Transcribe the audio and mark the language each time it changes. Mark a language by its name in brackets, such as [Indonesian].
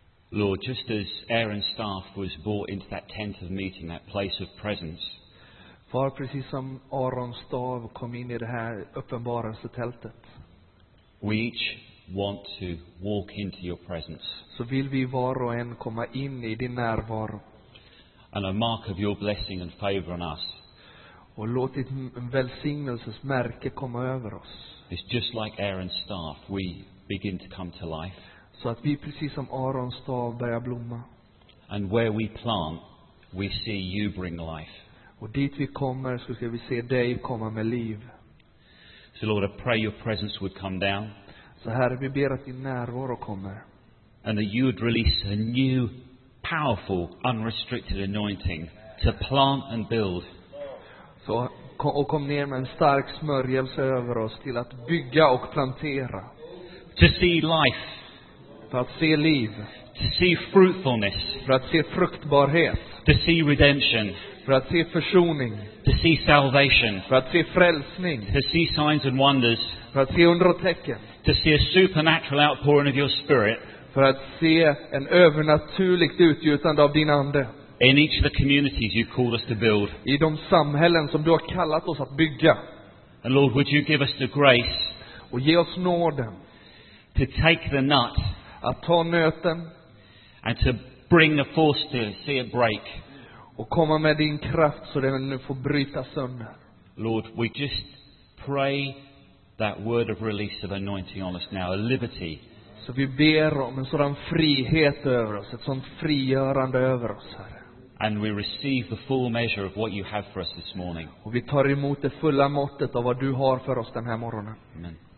[English] Lord, just as Aaron's staff was brought into that tent of meeting, that place of presence. [Swedish] Far, precis som Aarons stav kom in i det här uppenbarelsetältet. [English] We each want to walk into your presence. [Swedish] Så vill vi var och en komma in i din närvaro. [English] And a mark of your blessing and favor on us. [Swedish] Och låt ditt välsignelses märke komma över oss. [English] It's just like Aaron's staff, we begin to come to life. [Swedish] Så att vi precis som Aarons stav börjar blomma. [English] And where we plant, we see you bring life. [Swedish] Och dit vi kommer så ska vi se dig komma med liv. [English] So Lord, I pray your presence would come down. [Swedish] Så Herre, vi ber att din närvaro kommer. [English] And that you would release a new, powerful, unrestricted anointing to plant and build. [Swedish] Så och kom ner med en stark smörjelse över oss till att bygga och plantera. [English] To see life. [Swedish] För att se liv. [English] To see fruitfulness. [Swedish] För att se fruktbarhet. [English] To see redemption. [Swedish] För att se försoning. [English] To see salvation. [Swedish] För att se frälsning. [English] To see signs and wonders. [Swedish] För att se under och tecken. [English] To see a supernatural outpouring of your spirit. [Swedish] För att se en övernaturligt utgjutande av din ande. [English] In each of the communities you called us to build. [Swedish] I de samhällen som du har kallat oss att bygga. [English] And Lord, would you give us the grace. [Swedish] Och ge oss nåden. [English] To take the nut. [Swedish] Att ta nöten. [English] And to bring the force to see it break. [Swedish] Och komma med din kraft så den nu får bryta sönder. [English] Lord, we just pray that word of release of anointing on us now, a liberty. [Swedish] Så vi ber om en sådan frihet över oss, ett sådant frigörande över oss, Herre. [English] And we receive the full measure of what you have for us this morning. [Swedish] Och vi tar emot det fulla måttet av vad du har för oss den här morgonen. [English] Amen.